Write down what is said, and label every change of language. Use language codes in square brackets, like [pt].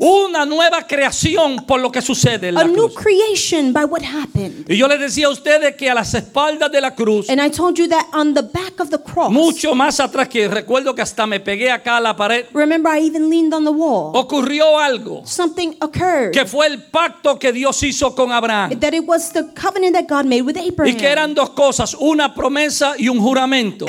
[es] Una nueva creación por lo que sucede en la cruz. [en] A new creation by what happened. [es] Y yo les decía a ustedes que a las espaldas de la cruz. [en] And I told you that on the back of the cross. [es] Mucho más atrás que recuerdo que hasta me pegué acá a la pared. [en] Remember I even leaned on the wall. [es] Ocurrió algo. [en] Something occurred. [es] Que fue el pacto que Dios hizo con Abraham. [en] That it was the covenant that God made with Abraham. [es] Y que eran dos cosas, una promesa y un juramento.